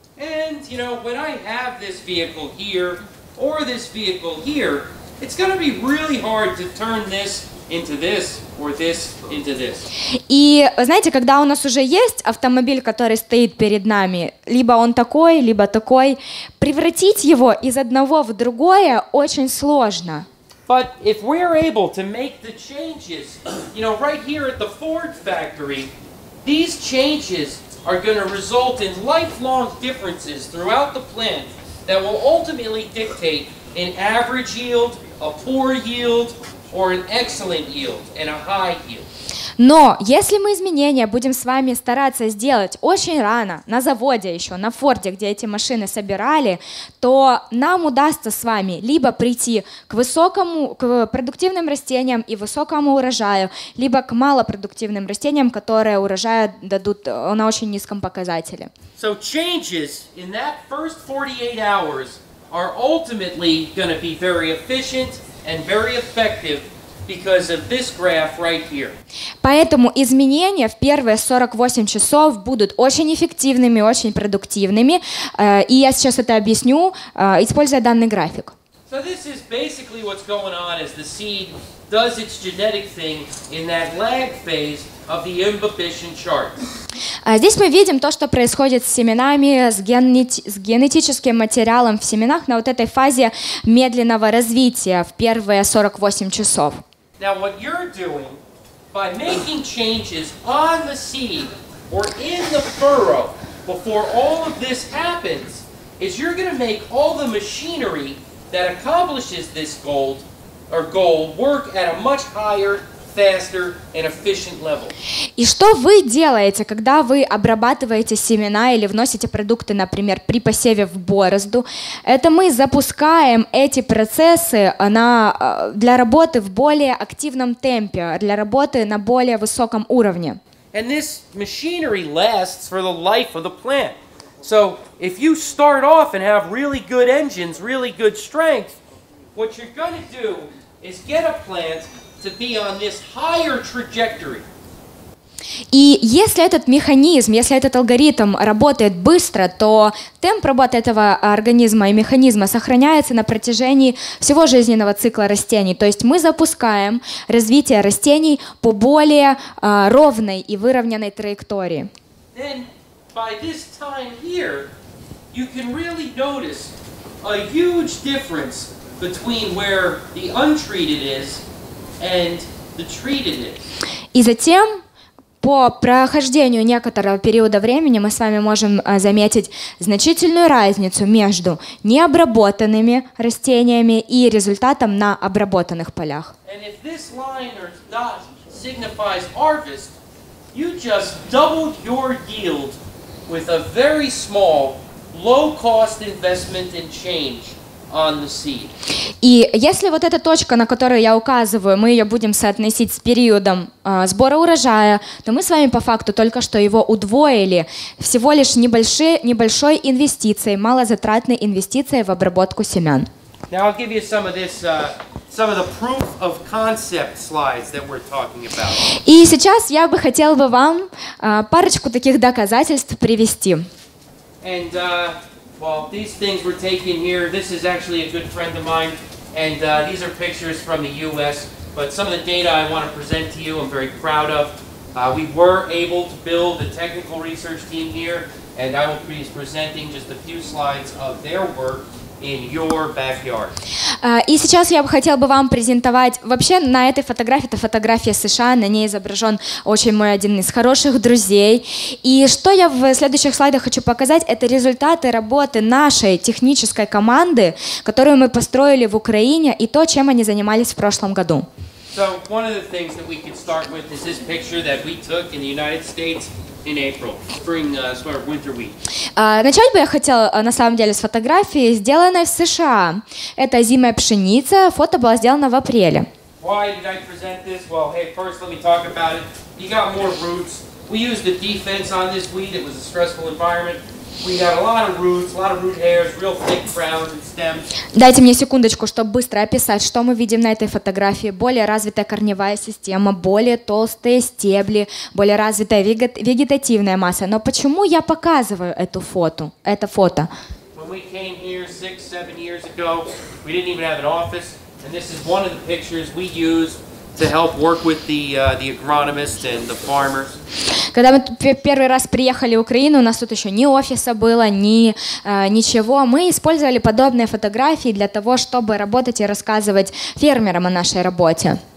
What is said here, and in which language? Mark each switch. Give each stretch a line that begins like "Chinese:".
English: And, you know, when I have this vehicle here or this vehicle here, it's going to be really hard to turn this into this or this into this.
Russian: И знаете, когда у нас уже есть автомобиль, который стоит перед нами, либо он такой, либо такой, превратить его из одного в другое очень сложно.
English: But if we're able to make the changes, you know, right here at the Ford factory, these changes are going to result in lifelong differences throughout the plant that will ultimately dictate an average yield, a poor yield, or an excellent yield and a high yield.
Russian: Но если мы изменения будем с вами стараться сделать очень рано, на заводе еще, на Форде, где эти машины собирали, то нам удастся с вами либо прийти к продуктивным растениям и высокому урожаю, либо к малопродуктивным растениям, которые урожай дадут на очень низком показателе.
English: So changes in that first 48 hours are ultimately going to be very efficient and very effective because of this graph right here.
Russian: Поэтому изменения в первые 48 часов будут очень эффективными, очень продуктивными, и я сейчас это объясню, используя данный график.
English: So this is basically what's going on as the seed does its genetic thing in that lag phase of the imbibition chart.
Russian: Здесь мы видим то, что происходит с семенами, с генетическим материалом в семенах на вот этой фазе медленного развития в первые 48 часов.
English: Now what you're doing by making changes on the seed or in the furrow before all of this happens is you're going to make all the machinery that accomplishes this goal work at a much higher, faster, and efficient level.
Russian: И что вы делаете, когда вы обрабатываете семена или вносите продукты, например, при посеве в борозду? Это мы запускаем эти процессы для работы в более активном темпе, для работы на более высоком уровне.
English: And this machinery lasts for the life of the plant. So if you start off and have really good engines, really good strength, what you're going to do is get a plant to be on this higher trajectory.
Russian: И если этот механизм, если этот алгоритм работает быстро, то темп работы этого организма и механизма сохраняется на протяжении всего жизненного цикла растений. То есть мы запускаем развитие растений по более ровной и выровненной траектории.
English: Then by this time here, you can really notice a huge difference between where the untreated is and the treated is.
Russian: И затем, по прохождению некоторого периода времени, мы с вами можем заметить значительную разницу между необработанными растениями и результатом на обработанных полях.
English: And if this line or dot signifies harvest, you just doubled your yield with a very small, low-cost investment and change on the seed.
Russian: И если вот эта точка, на которую я указываю, мы ее будем соотносить с периодом сбора урожая, то мы с вами по факту только что его удвоили всего лишь небольшой инвестицией, малозатратной инвестицией в обработку семян.
English: Now I'll give you some of this, some of the proof of concept slides that we're talking about.
Russian: И сейчас я бы хотел бы вам парочку таких доказательств привести.
English: And Well, these things were taken here. This is actually a good friend of mine, and these are pictures from the U.S., but some of the data I want to present to you I'm very proud of. We were able to build a technical research team here, and I will be presenting just a few slides of their work in your backyard.
Russian: И сейчас я бы хотел бы вам презентовать, вообще на этой фотографии, это фотография США, на ней изображен очень мой один из хороших друзей. И что я в следующих слайдах хочу показать, это результаты работы нашей технической команды, которую мы построили в Украине, и то, чем они занимались в прошлом году.
English: So one of the things that we could start with is this picture that we took in the United States in April, spring, sort of winter wheat.
Russian: Начать бы я хотела, на самом деле, с фотографии, сделанной в США. Это зимняя пшеница, фото было сделано в апреле.
English: Why did I present this? Well, hey, first let me talk about it. You got more roots. We used the defense on this wheat. It was a stressful environment. We got a lot of roots, a lot of root hairs, real thick crowns and stems.
Russian: Дайте мне секундочку, чтобы быстро описать, что мы видим на этой фотографии. Более развитая корневая система, более толстые стебли, более развитая вегетативная масса. Но почему я показываю эту фото? Это фото.
English: When we came here 6-7 years ago, we didn't even have an office, and this is one of the pictures we used to help work with the agronomists and the farmers.
Russian: Когда мы первый раз приехали в Украину, у нас тут еще ни офиса было, ни ничего. Мы использовали подобные фотографии для того, чтобы работать и рассказывать фермерам о нашей работе.